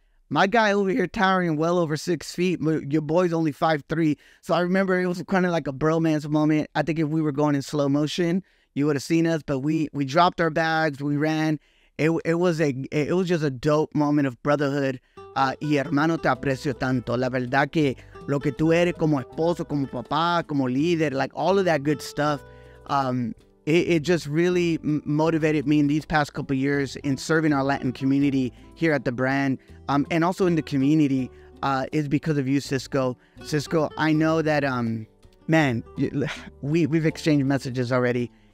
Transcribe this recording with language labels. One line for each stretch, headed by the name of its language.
English: My guy over here towering well over 6 feet. Your boy's only 5'3". So I remember it was kind of like a bromance moment. I think if we were going in slow motion, you would have seen us. But we dropped our bags. We ran. It was just a dope moment of brotherhood.
Spanish: Y hermano, te aprecio tanto. La verdad que lo que tú eres como esposo, como papá, como líder,
English: like all of that good stuff. It just really motivated me in these past couple of years in serving our Latin community here at the brand, and also in the community, is because of you, Cisco. Cisco, I know that, man, we've exchanged messages already.